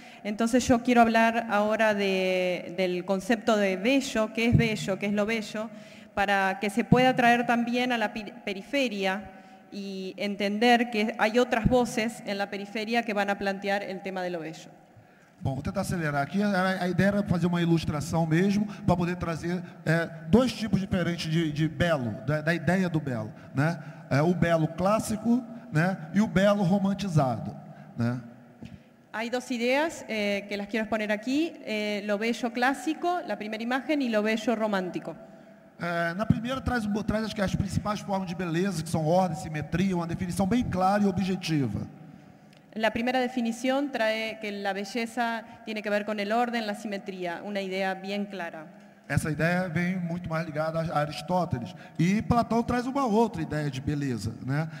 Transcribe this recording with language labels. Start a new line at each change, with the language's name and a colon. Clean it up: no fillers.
Spanish: Entonces yo quiero hablar ahora del concepto de bello, qué es lo bello, para que se pueda traer también a la periferia y entender que hay otras voces en la periferia que van a plantear el tema de lo bello.
Portuguese: Bom, vou tentar acelerar aqui. A ideia era fazer uma ilustração mesmo para poder trazer dois tipos diferentes de belo, da ideia do belo, né? O belo clássico, né? E o belo romantizado, né? Há duas ideias que
Spanish: las quiero exponer
Portuguese: aqui.
Spanish: Lo bello
Portuguese: clássico, a primeira imagem, e
Spanish: lo bello
Portuguese: romântico. Na primeira, traz acho que as principais formas de beleza, que são ordem, simetria, uma definição bem clara e objetiva.
Spanish: La primera definición trae que la belleza tiene que ver con el orden, la simetría, una idea bien clara. Esa idea viene mucho más ligada a Aristóteles. Y Platón trae una otra idea de belleza, ¿no?